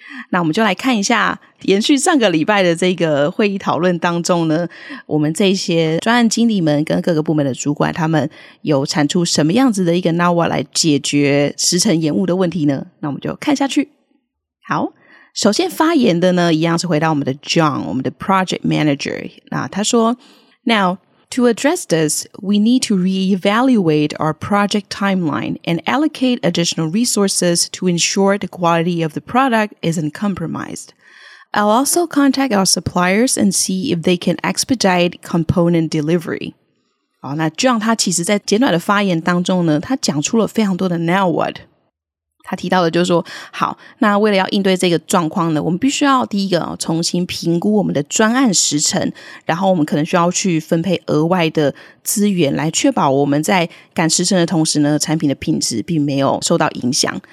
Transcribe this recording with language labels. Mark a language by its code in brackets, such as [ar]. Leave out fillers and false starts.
[zh] 那我们就来看一下延续上个礼拜的这个会议讨论当中呢，我们这些专案经理们跟各个部门的主管他们有产出什么样子的一个 now what 来解决时程延误的问题呢？那我们就看下去。好，首先发言的呢一样是回到我们的 John， 我们的 project manager。那他说 [en] Now to address this we need to reevaluate our project timeline and allocate additional resources to ensure the quality of the product isn't compromised. I'll also contact our suppliers and see if they can expedite component delivery. [zh] 好，那 John 他其实在简短的发言当中呢，他讲出了非常多的 now what。他提到的就是说，好，那为了要应对这个状况呢，我们必须要第一个重新评估我们的专案时程，然后我们可能需要去分配额外的资源来确保我们在赶时程的同时呢，产品的品质并没有受到影响。